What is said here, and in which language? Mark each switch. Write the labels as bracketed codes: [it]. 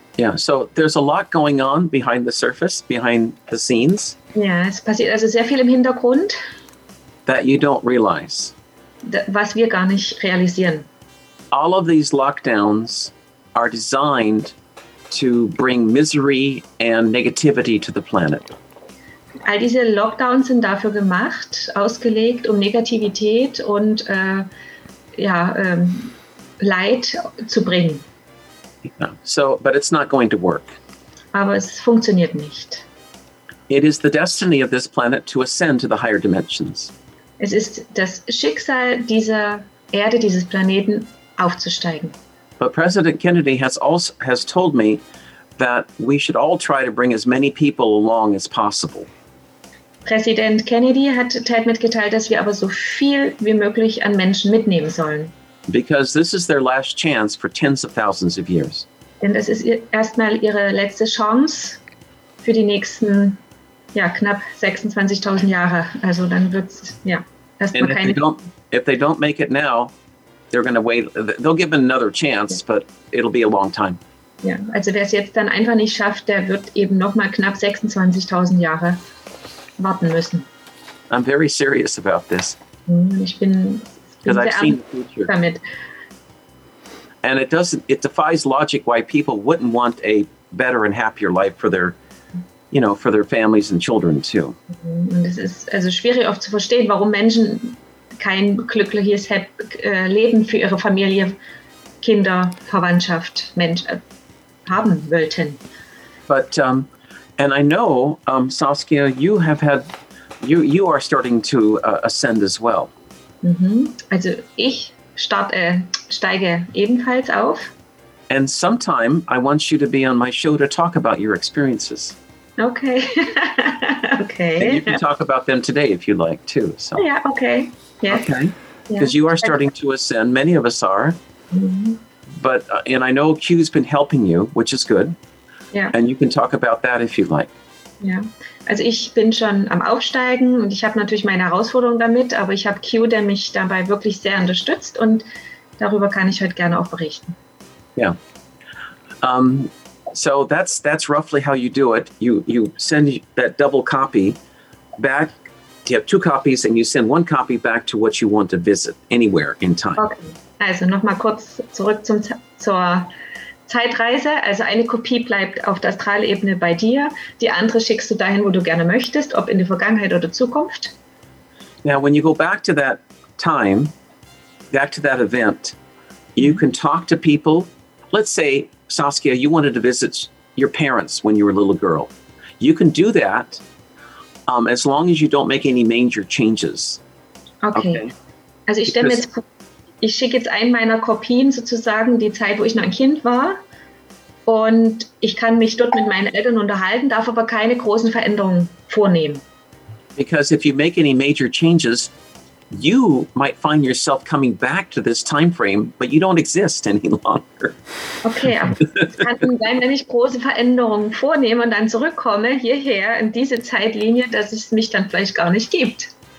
[en] Yeah, so there's a lot going on behind the surface, behind the scenes. [de] Ja, es passiert also sehr viel im Hintergrund. [en] That you don't realize. [de] Was wir gar nicht realisieren. [en] All of these lockdowns are designed to bring misery and negativity to the planet. [de] All diese Lockdowns sind dafür gemacht, ausgelegt, um Negativität und Leid zu bringen. [en] Yeah. So, but it's not going to work. [de] Aber es funktioniert nicht. [en] It is the destiny of this planet to ascend to the higher dimensions. [de] Es ist das Schicksal dieser Erde, dieses Planeten, aufzusteigen. [en] But President Kennedy has told me that we should all try to bring as many people along as possible. [de] Präsident Kennedy hat teilt mitgeteilt, dass wir aber so viel wie möglich an Menschen mitnehmen sollen. [en] Because this is their last chance for tens of thousands of years. [de] Denn das ist erstmal ihre letzte Chance für die nächsten knapp 26.000 Jahre. Also dann wird's erstmal keine. [en] If they don't make it now, they're going to wait. They'll give another chance, but it'll be a long time. [de] Ja, also wer es jetzt dann einfach nicht schafft, der wird eben noch mal knapp 26.000 Jahre warten müssen. [en] I'm very serious about this. [de] Ich bin sehr ernst damit. [en] And it defies logic why people wouldn't want a better and happier life for their, you know, for their families and children too. [de] Und es ist also schwierig oft zu verstehen, warum Menschen kein glückliches Leben für ihre Familie, Kinder, Verwandtschaft, Mensch haben wollten. [en] But and I know Saskia, you have had, you are starting to ascend as well. [de] Also ich steige ebenfalls auf. [en] And sometime I want you to be on my show to talk about your experiences. Okay. Okay. And you can talk about them today if you like too. So. Yeah. Okay. Yes. Okay. Because you are starting to ascend. Many of us are. Mm-hmm. But and I know Q's been helping you, which is good. Yeah. And you can talk about that if you like. Yeah. [de] Also ich bin schon am Aufsteigen und ich habe natürlich meine Herausforderung damit, aber ich habe Q, der mich dabei wirklich sehr unterstützt und darüber kann ich heute gerne auch berichten. [en] Yeah. So that's roughly how you do it. You send that double copy back. You have two copies and you send one copy back to what you want to visit anywhere in time. [de] Okay. Also nochmal kurz zurück zur Zeitreise. Also eine Kopie bleibt auf der Astralebene bei dir. Die andere schickst du dahin, wo du gerne möchtest, ob in die Vergangenheit oder Zukunft. [en] Now, when you go back to that time, back to that event, you can talk to people. Let's say, Saskia, you wanted to visit your parents when you were a little girl. You can do that as long as you don't make any major changes. Okay. [de] Also ich stelle mir jetzt vor, ich schicke jetzt einen meiner Kopien sozusagen die Zeit, wo ich noch ein Kind war. Und ich kann mich dort mit meinen Eltern unterhalten, darf aber keine großen Veränderungen vornehmen. [en] Because if you make any major changes, you might find yourself coming back to this time frame, but you don't exist any longer. [de] Okay, aber es kann sein, wenn ich große Veränderungen vornehme und dann zurückkomme hierher in diese Zeitlinie, dass es mich dann vielleicht gar nicht gibt.